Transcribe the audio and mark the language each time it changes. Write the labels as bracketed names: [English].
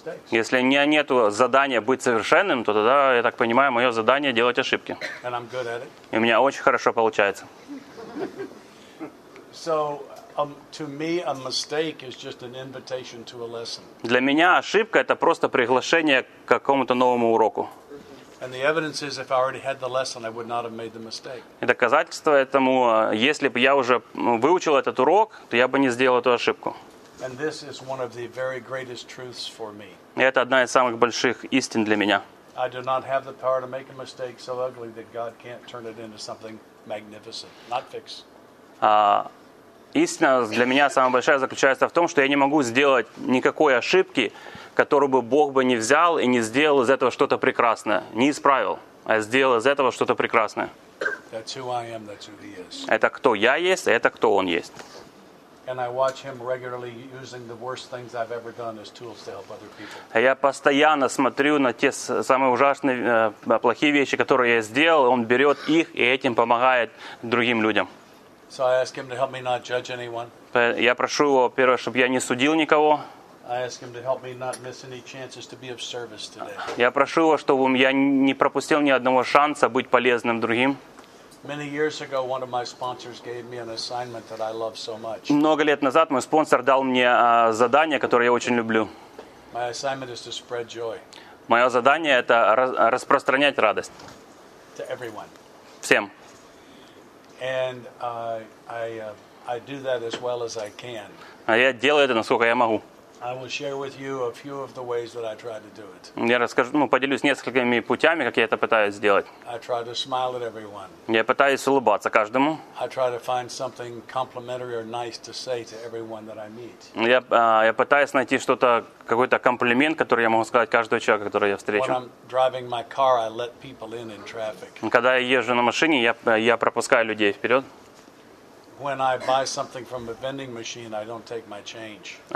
[Russian] Если нет задания быть совершенным, то тогда, я так понимаю, мое задание делать ошибки. [English] And I'm good at it. [Russian] И у меня очень хорошо получается. [English] So, to me, a mistake is just an invitation to a lesson. [Russian] Для меня ошибка это просто приглашение к какому-то новому уроку. [English] And the evidence is, if I already had the lesson, I would not have made the mistake. [Russian] И доказательство этому, если бы я уже выучил этот урок, то я бы не сделал эту ошибку. [English] And this is one of the very greatest truths for me. [Russian] И это одна из самых больших истин для меня. [English] I do not have the power to make a mistake so ugly that God can't turn it into something magnificent, not fix. [Russian] Истина для меня самая большая заключается в том, что я не могу сделать никакой ошибки, которую бы Бог бы не взял и не сделал из этого что-то прекрасное. Не исправил, а сделал из этого что-то прекрасное. [English] That's who I am, that's who he is. [Russian] Это кто я есть, это кто он есть. [English] And I watch him regularly using the worst things I've ever done as tools to help other people. [Russian] Я постоянно смотрю на те самые ужасные, плохие вещи, которые я сделал, он берет их и этим помогает другим людям. [English] So I ask him to help me not judge anyone. [Russian] Я прошу его, первое, чтобы я не судил никого. [English] I ask him to help me not miss any chances to be of service today. [Russian] Я прошу его, чтобы я не пропустил ни одного шанса быть полезным другим. [English] Many years ago, one of my sponsors gave me an assignment that I love so much. [Russian] Много лет назад мой спонсор дал мне задание, которое я очень люблю. [English] My assignment is to spread joy. [Russian] Мое задание это распространять радость. [English] To everyone. [Russian] Всем. [English] And I do that as well as I can. [Russian] Я делаю это насколько я могу. [English] I will share with you a few of the ways that I try to do it. [Russian] Я расскажу, поделюсь несколькими путями, как я это пытаюсь сделать. [English] I try to smile at everyone. [Russian] Я пытаюсь улыбаться каждому. [English] I try to find something complimentary or nice to say to everyone that I meet. [Russian] Я пытаюсь найти что-то какой-то комплимент, который я могу сказать каждому человеку, которого я встречу. [English] When I'm driving my car, I let people in traffic. [Russian] Когда я езжу на машине, я пропускаю людей вперед. [English] When I buy something from a vending machine, I don't take my change.